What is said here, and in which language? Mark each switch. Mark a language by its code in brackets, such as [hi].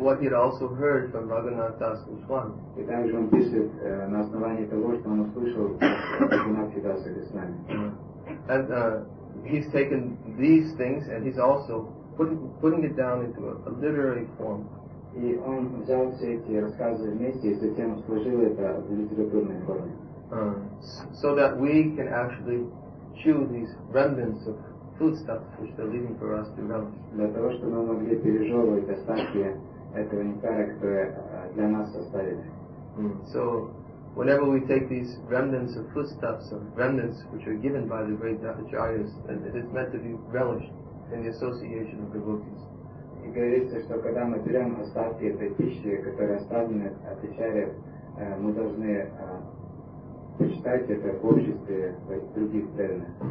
[en] What he also heard from Raghunath Das Goswami. [ru] И также он пишет на основании того, что он услышал от Раганатхи Даса Госвами. [en] And he's taken these things and he's also putting it down into a literary form. [ru] И он взял все эти рассказы вместе и затем сложил это в литературной форме. [en] So that we can actually chew these remnants of foodstuffs which they're leaving for us to relish. [ru] Для того, чтобы мы могли пережевывать остатки этого нектара, которое для нас оставили. [en] So, whenever we take these remnants of foodstuffs, of remnants which are given by the great acharyas, then it is meant to be relished in the association of devotees. [ru] И говорится, что когда мы берем остатки этой пищи, которая оставлена от ачарьев, мы должны почитайте это в обществе других преданных.